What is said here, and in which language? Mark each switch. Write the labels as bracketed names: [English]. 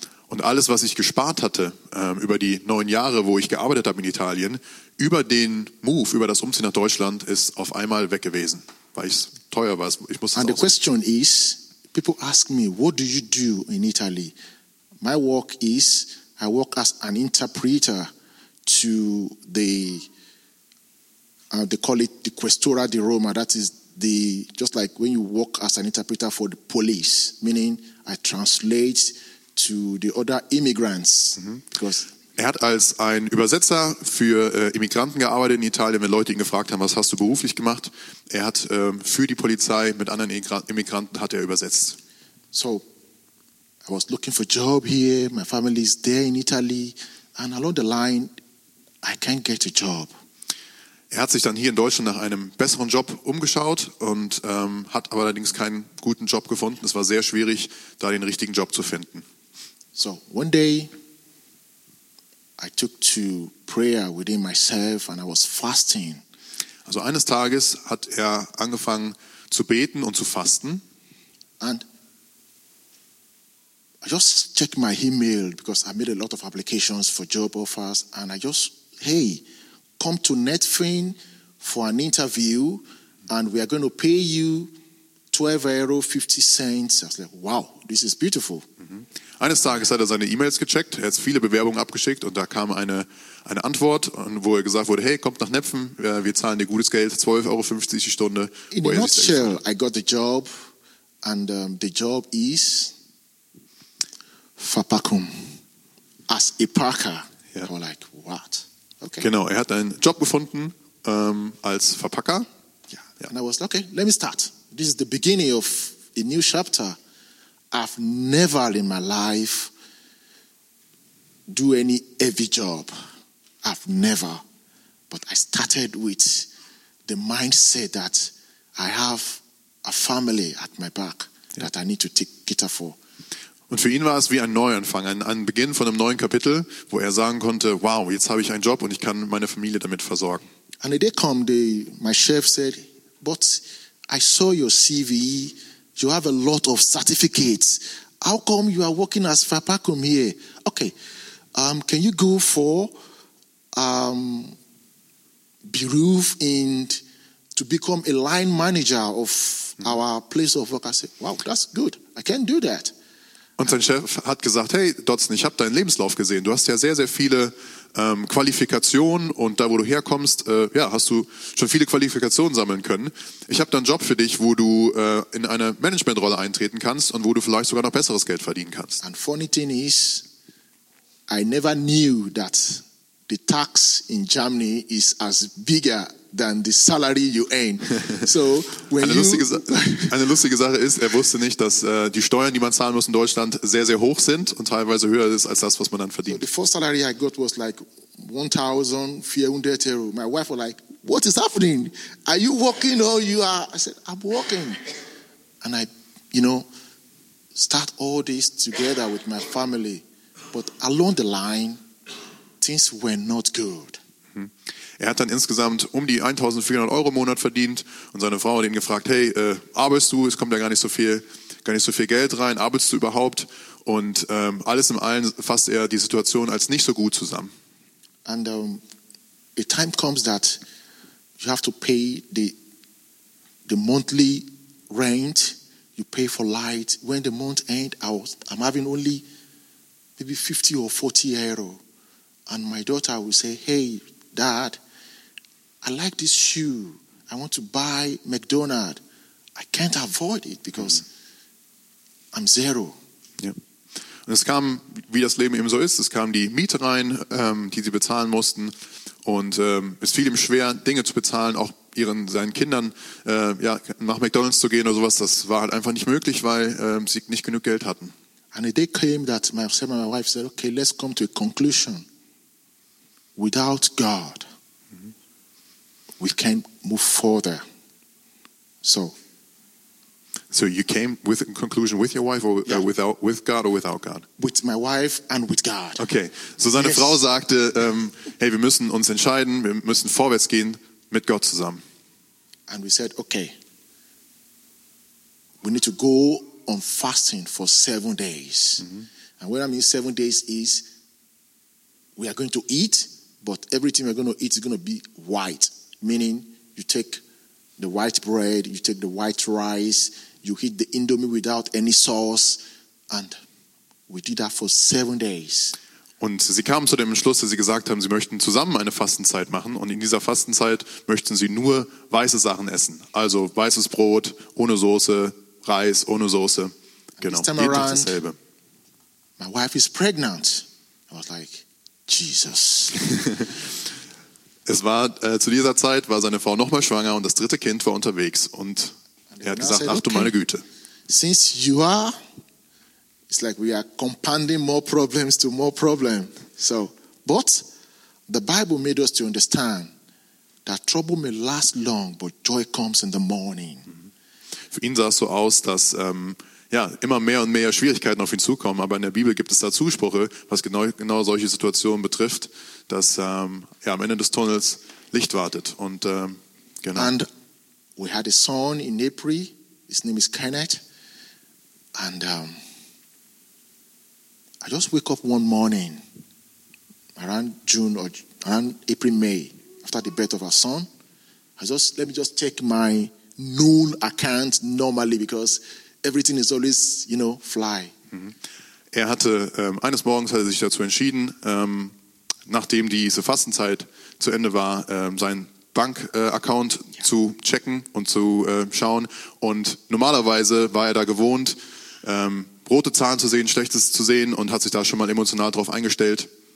[German] Und alles, was ich gespart hatte über die 9 Jahre, wo ich gearbeitet habe in Italien, über den Move, über das Umziehen nach Deutschland, ist auf einmal weg gewesen, weil es teuer war. Ich musste. [English] And the question is, people ask me, what do you do in Italy? My work is, I work as an interpreter to they call it the Questura di Roma. That is the just like when you work as an interpreter for the police, meaning I translate to the other immigrants. Mm-hmm. [German] Er hat als ein Übersetzer für Immigranten gearbeitet in Italien, wenn Leute ihn gefragt haben, was hast du beruflich gemacht? Er hat für die Polizei mit anderen Immigranten hat er übersetzt. [English] So, I was looking for a job here, my family is there in Italy, and along the line, I can't get a job. [German] Er hat sich dann hier in Deutschland nach einem besseren Job umgeschaut und hat aber allerdings keinen guten Job gefunden. Es war sehr schwierig, da den richtigen Job zu finden. [English] So one day I took to prayer within myself and I was fasting. [German] Also eines Tages hat er angefangen zu beten und zu fasten. [English] And I just checked my email because I made a lot of applications for job offers and I just, hey, come to Netfin for an interview and we are going to pay you €12.50. I was like, wow, this is beautiful. [German] Eines Tages hat er seine E-Mails gecheckt, er hat viele Bewerbungen abgeschickt und da kam eine Antwort, wo er gesagt wurde, hey, kommt nach Netfin, wir zahlen dir gutes Geld, €12.50 die Stunde. [English] In a nutshell, I got the job and the job is Verpackung as a Parker. Yeah. I was like, what? Okay. [German] Genau, er hat einen Job gefunden als Verpacker. [English] Yeah. Yeah. And I was like, okay, let me start. This is the beginning of a new chapter. I've never in my life do any heavy job. I've never. But I started with the mindset that I have a family at my back that I need to take care for. [German] Und für ihn war es wie ein Neuanfang, ein Beginn von einem neuen Kapitel, wo er sagen konnte, wow, jetzt habe ich einen Job und ich kann meine Familie damit versorgen. [English] And the day come, my chef said, but I saw your CV. You have a lot of certificates. How come you are working as Fapakum here? Okay, can you go for Beruf and to become a line manager of our place of work? I said, wow, that's good. I can do that. [German] Und sein Chef hat gesagt, hey Dotson, ich habe deinen Lebenslauf gesehen. Du hast ja sehr, sehr viele Qualifikationen und da, wo du herkommst, hast du schon viele Qualifikationen sammeln können. Ich habe da einen Job für dich, wo du in eine Managementrolle eintreten kannst und wo du vielleicht sogar noch besseres Geld verdienen kannst. [English] And funny thing is, I never knew that the tax in Germany is as bigger than the salary you earn. So when [German] eine lustige Sache ist, er wusste nicht, dass die Steuern, die man zahlen muss in Deutschland, sehr, sehr hoch sind und teilweise höher ist als das, was man dann verdient. [English] So the first salary I got was like 1,400 euro. My wife was like, what is happening? Are you working or you are? I said, I'm working. And I, you know, start all this together with my family. But along the line, things were not good. [German] Er hat dann insgesamt um die 1.400 Euro im Monat verdient und seine Frau hat ihn gefragt, hey, arbeitest du? Es kommt ja gar nicht so viel Geld rein. Arbeitest du überhaupt? Und alles im allen fasst er die Situation als nicht so gut zusammen. [English] And a time comes that you have to pay the monthly rent, you pay for light. When the month ends, I'm having only maybe 50 or 40 euro. And my daughter will say, hey, dad, I like this shoe. I want to buy McDonald's. I can't avoid it because I'm zero. Yeah. [German] Und es kam, wie das Leben eben so ist, es kam die Miete rein, die sie bezahlen mussten. Und es fiel ihm schwer, Dinge zu bezahlen, auch seinen Kindern nach McDonald's zu gehen oder sowas. Das war halt einfach nicht möglich, weil sie nicht genug Geld hatten. [English] And a day came that myself and my wife said, okay, let's come to a conclusion. Without God, we can't move further. So you came with a conclusion with your wife or with God or without God? With my wife and with God. [German] Okay, so seine Frau sagte, hey, wir müssen uns entscheiden, wir müssen vorwärts gehen mit Gott zusammen. [English] And we said, okay, we need to go on fasting for 7 days. Mm-hmm. And what I mean 7 days is we are going to eat, but everything we're going to eat is going to be white, meaning you take the white bread, you take the white rice, you eat the indomie without any sauce, and we did that for 7 days. [German] Und sie kamen zu dem Entschluss, dass sie gesagt haben, sie möchten zusammen eine Fastenzeit machen, und in dieser Fastenzeit möchten sie nur weiße Sachen essen, also weißes Brot ohne Soße, Reis ohne Soße, genau, jeden Tag dasselbe. [English] My wife is pregnant. I was like, Jesus. [German] Es war zu dieser Zeit, war seine Frau nochmal schwanger und das dritte Kind war unterwegs. Und er hat gesagt, ach du meine Güte. [English] Since you are, it's like we are compounding more problems to more problems. So, but the Bible made us to understand that trouble may last long, but joy comes in the morning. [German] Für ihn sah es so aus, dass immer mehr und mehr Schwierigkeiten auf ihn zukommen. Aber in der Bibel gibt es da Zusprüche, was genau solche Situationen betrifft, dass am Ende des Tunnels Licht wartet. Und [English] And we had a son in April. His name is Kenneth. And I just wake up one morning around June or around April, May, after the birth of our son. Let me just check my noon account normally, because everything is always, you know, fly. [German] Er hatte, eines Morgens hat er sich dazu entschieden, nachdem diese Fastenzeit zu Ende war, seinen Bank-Account zu checken und zu schauen. Und normalerweise war er da gewohnt, rote Zahlen zu sehen, Schlechtes zu sehen, und hat sich da schon mal emotional drauf eingestellt.